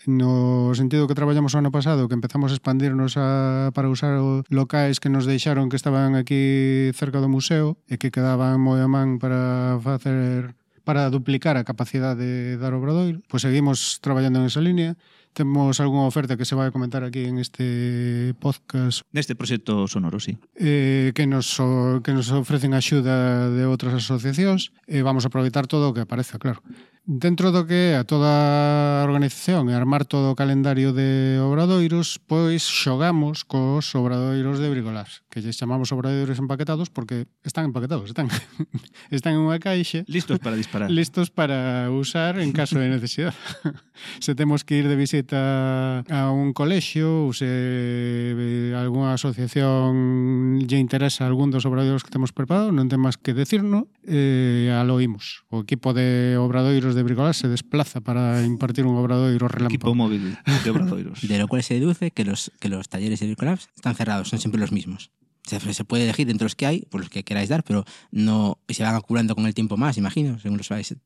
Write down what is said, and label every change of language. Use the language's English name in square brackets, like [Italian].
[Spanish] No sentido que trabajamos el año pasado, que empezamos a expandirnos para usar locales que nos dejaron que estaban aquí cerca del museo y que quedaban muy [Galician] a man [Spanish] para duplicar a capacidad de dar obradoiro, pues seguimos trabajando en esa línea. [Galician] Temos algunha oferta que se vai comentar aquí en este podcast. Neste proxecto sonoro, sí. Que nos ofrecen axuda de outras asociacións. Vamos a aproveitar todo o que aparece, claro. Dentro do que a toda a organización e armar todo o calendario de obradoiros, pois xogamos cos obradoiros de Bricolabs, que lles chamamos obradoiros empaquetados porque están empaquetados, están en unha caixa. Listos para disparar. Listos para usar en caso de necesidade. Se temos que ir de visita a un colexio ou se alguna asociación lle interesa algún dos obradoiros que temos preparado, non ten máis que decirnos, aloímos. O equipo de obradoiros de Bricolabs se desplaza para impartir un obradoiro relámpago. Equipo móvil de obradoiros. [Spanish] De lo cual se deduce que los talleres de Bricolabs están cerrados, son siempre los mismos. Se puede elegir entre los que hay, por los que queráis dar, pero no se van acumulando con el tiempo más, imagino, según los vais.